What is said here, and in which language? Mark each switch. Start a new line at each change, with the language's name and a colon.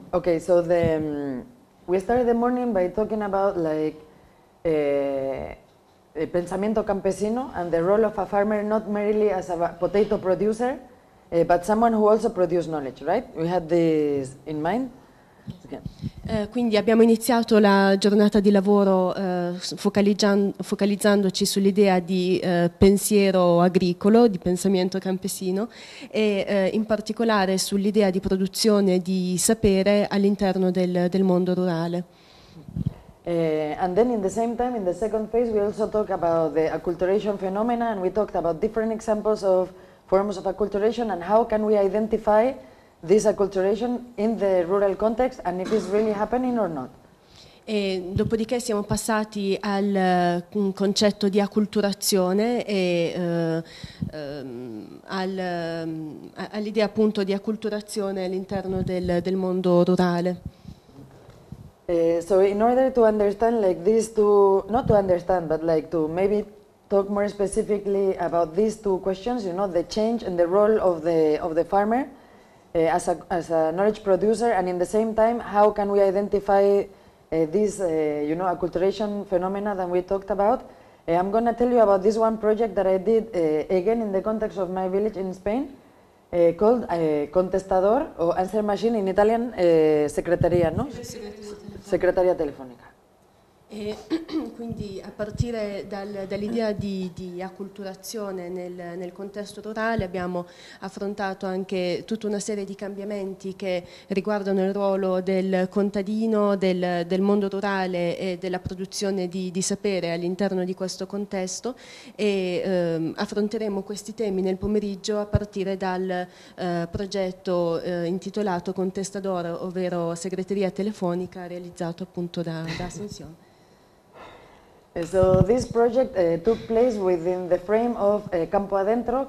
English: Okay, so we started the morning by talking about like
Spanish: el pensamiento campesino
English: and the role of a farmer not merely as a potato producer, but someone who also produces knowledge, right? We had this in mind. Okay.
Italian: Quindi abbiamo iniziato la giornata di lavoro focalizzandoci sull'idea di pensiero agricolo, di pensamento campesino e in particolare sull'idea di produzione di sapere all'interno del mondo rurale.
English: And then in the same time, in the second phase, we also talk about the acculturation phenomena and we talked about different examples of forms of acculturation and how can we identify this acculturation in the rural context and if it's really happening or not.
Italian: E dopodiché siamo passati al concetto di acculturazione e all'idea appunto di acculturazione all'interno del mondo rurale.
English: So in order to understand like these two, not to understand but like to maybe talk more specifically about these two questions, you know, the change and the role of the farmer as a knowledge producer, and in the same time, how can we identify this acculturation phenomena that we talked about? I'm going to tell you about this one project that I did again in the context of my village in Spain, called Contestador, or Answer Machine in Italian, Secretaria, no?
Spanish: Secretaria Telefonica.
Italian: E quindi a partire dall'idea di acculturazione nel contesto rurale abbiamo affrontato anche tutta una serie di cambiamenti che riguardano il ruolo del contadino, del mondo rurale e della produzione di sapere all'interno di questo contesto e affronteremo questi temi nel pomeriggio a partire dal progetto intitolato Contestador, ovvero segreteria telefonica realizzato appunto da Asunción.
English: So this project took place within the frame of Campo Adentro.